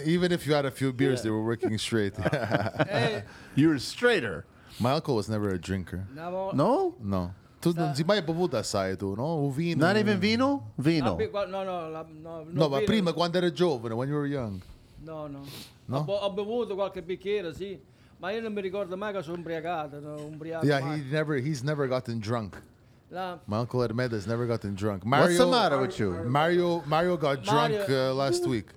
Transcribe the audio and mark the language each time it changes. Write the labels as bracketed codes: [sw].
[en] Even if you had a few beers, they were working straight. You were straighter. My uncle was never a drinker. No? Not even vino? Vino. No, but [it] prima, quando era giovane, [en] when you were young. No. [it] Ho bevuto qualche bicchiere, sì. Ma io non mi ricordo mai che sono ubriacato. [en] Yeah, he's never gotten drunk. My uncle Hermed has never gotten drunk. Mario, what's the matter with you? Mario got drunk last week.